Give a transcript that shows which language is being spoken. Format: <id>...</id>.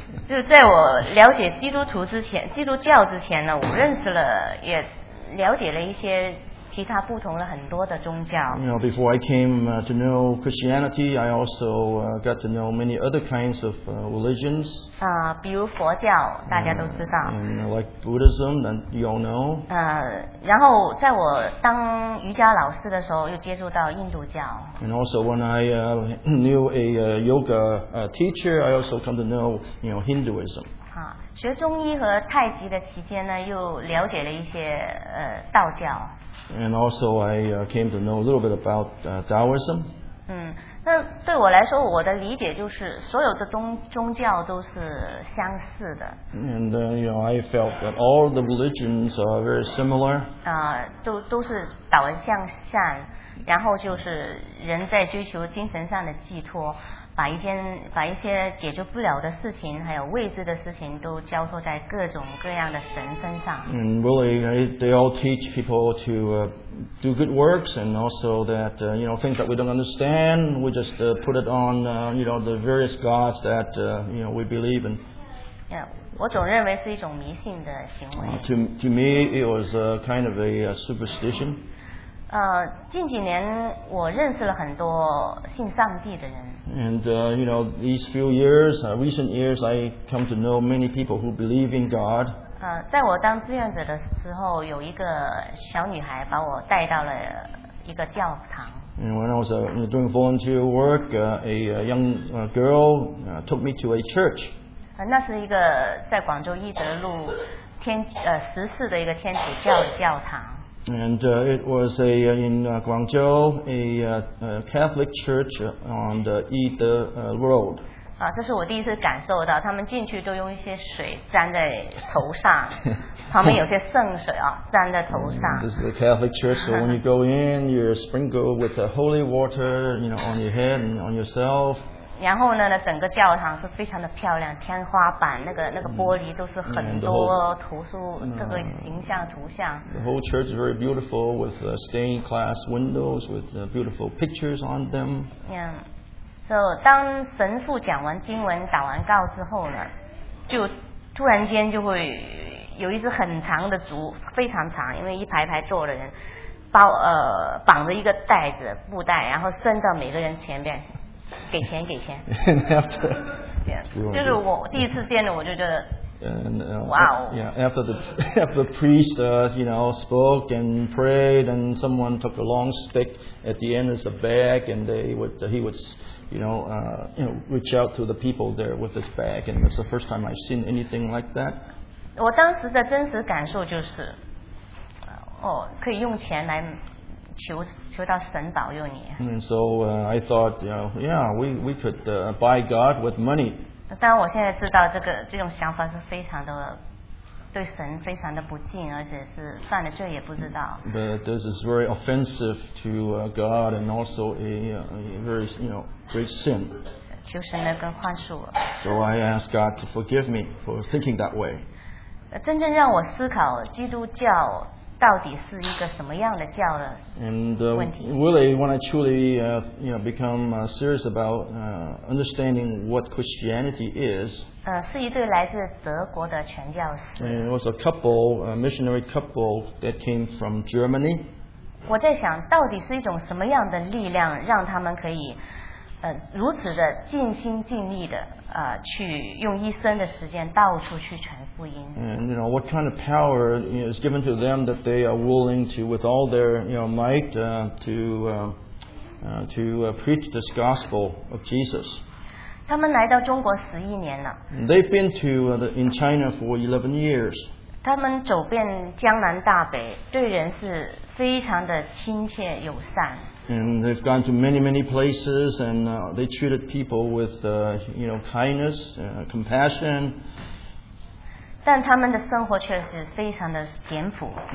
<zh>就是在我了解基督徒之前，基督教之前呢，我认识了，也了解了一些其他不同的很多的宗教。</zh> <en>Before I came to know Christianity, I also got to know many other kinds of religions.</en> <zh>比如佛教，大家都知道。</zh> <en>Like Buddhism, that you all know.</en> <zh>然后在我当瑜伽老师的时候，又接触到印度教。</zh> <en>And also when I knew a yoga teacher, I also come to know, Hinduism.</en> <zh>学中医和太极的期间呢，又了解了一些道教。</zh> <en>And also I came to know a little bit about Taoism.</en> <zh>那对我来说，我的理解就是所有的宗教都是相似的。</zh> <en>And I felt that all the religions are very similar.</en> <zh>都是导人向善，然后就是人在追求精神上的寄托。把一些解决不了的事情，还有未知的事情，都交托在各种各样的神身上。</zh> <en>And really, they all teach people to do good works, and also that things that we don't understand, we just put it on the various gods that we believe in.</en> <zh>Yeah, 我总认为是一种迷信的行为。</zh> <en>To me, it was a kind of a superstition.</en> <zh>近几年我认识了很多信上帝的人。</zh> <en>And these few years, recent years, I come to know many people who believe in God.</en> <zh>在我当志愿者的时候，有一个小女孩把我带到了一个教堂。</zh> <en>And when I was doing volunteer work, a young girl took me to a church.</en> <zh>那是一个在广州义德路十四的一个天主教教堂。</zh> <en>And it was a in Guangzhou, a Catholic church on the Yide Road.</en> <zh>啊，这是我第一次感受到，他们进去都用一些水沾在头上，旁边有些圣水啊，沾在头上。</zh> <en>This is a Catholic church, so when you go in, you're sprinkled with the holy water, you know, on your head and on yourself.</en> <zh>然后呢，整个教堂是非常的漂亮，天花板那个玻璃都是很多图书各个形象图像。</zh> <en>The whole church is very beautiful with stained glass windows with beautiful pictures on them. Yeah.</en> <zh>So, 当神父讲完经文打完告之后呢，就突然间就会有一只很长的竹，非常长，因为一排排坐的人包绑着一个袋子布袋，然后伸到每个人前面，给钱给钱。</zh> <en>After,</en> <zh>就是我第一次见了，我就觉得。</zh> <en>After the priest, you know, spoke and prayed, and someone took a long stick at the end as a bag, and he would reach out to the people there with his bag, and it's the first time I've seen anything like that.</en> <zh>我当时的真实感受就是，哦，可以用钱来求到神保佑你。</zh> <en>And so I thought, you know, yeah, we could buy God with money.</en> <zh>当然，我现在知道这种想法是非常的对神非常的不敬，而且是犯了罪也不知道。</zh> <en>But this is very offensive to God and also a very great sin.</en> <zh>求神来更宽恕我。</zh> <en>So I ask God to forgive me for thinking that way.</en> <zh>真正让我思考基督教到底是一个什么样的教的问题。</zh> <en>And really, when I truly become serious about understanding what Christianity is,</en> <zh>是一对来自德国的传教士。</zh> <en>And it was a couple, a missionary couple that came from Germany.</en> <zh>我在想到底是一种什么样的力量让他们可以如此的尽心尽力的去用一生的时间到处去传福音。</zh> <en>And you know what kind of power is given to them that they are willing to, with all their might, to preach this gospel of Jesus.</en> <zh>他们来到中国十一年了。</zh> <en>They've been to in China for 11 years.</en> <zh>他们走遍江南大北，对人是非常的亲切友善。</zh> <en>And they've gone to many, many places, and they treated people with, kindness, compassion.</en> <zh>但他们的生活确实非常的简朴。</zh>